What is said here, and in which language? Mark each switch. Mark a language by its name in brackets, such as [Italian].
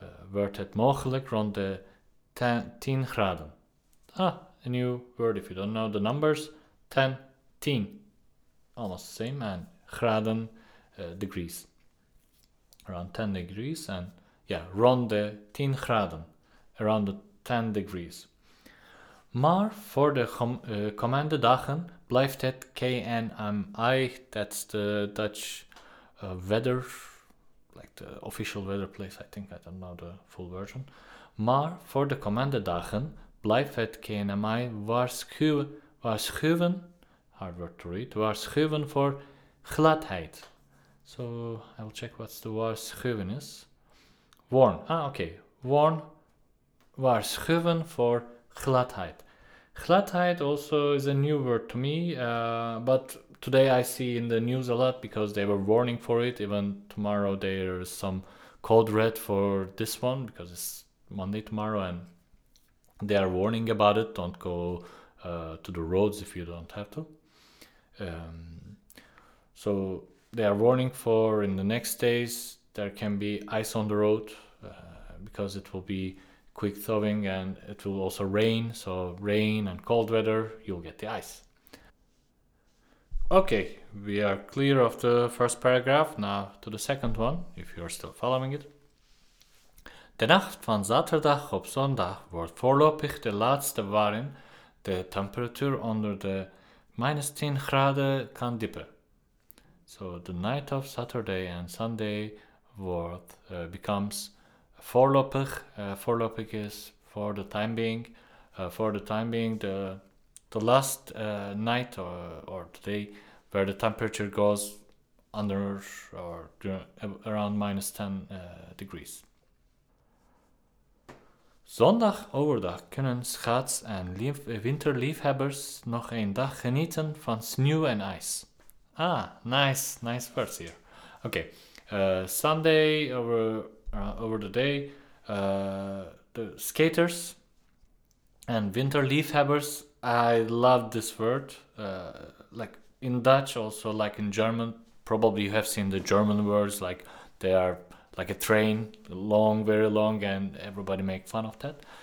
[Dutch] Wordt het mogelijk rond de 10 graden. Ah, [English] new word. If you don't know the numbers, 10, 10, almost the same, and graden, degrees, around 10 degrees, and yeah, [Dutch] ronde 10 graden, [English] around the 10 degrees. [Dutch] Maar voor de komende dagen blijft het KNMI, [English] that's the Dutch weather, like the official weather place, I think, I don't know the full version. [Dutch] Maar voor de komende dagen blijft het KNMI waarschuwen, [English] hard word to read, [Dutch] waarschuwen voor gladheid. [English] So, I will check what the waarschuwen is. Warn, warn, [Dutch] waarschuwen voor gladheid. [English] Gladheid also is a new word to me, but today I see in the news a lot because they were warning for it. Even tomorrow there is some code red for this one because it's Monday tomorrow and they are warning about it. Don't go to the roads if you don't have to. So they are warning for in the next days there can be ice on the road because it will be quick thawing and it will also rain, so rain and cold weather, you'll get the ice. Okay, we are clear of the first paragraph, now to the second one, if you're still following it. [Dutch] De nacht van zaterdag op zondag wordt voorlopig de laatste waarin de temperatuur onder de minus 10 graden kan dippen. [English] So the night of Saturday and Sunday wordt becomes voorlopig, voorlopig is for the time being, the last night or today where the temperature goes under or around minus 10 degrees. [Dutch] Zondag overdag kunnen schaats- en winterliefhebbers nog een dag genieten van sneeuw en ijs. [English] Ah, nice, nice verse here. Okay, Sunday over the day, the skaters and winter liefhebbers, I love this word, like in Dutch also, like in German, probably you have seen the German words, like they are like a train, long, very long, and everybody make fun of that.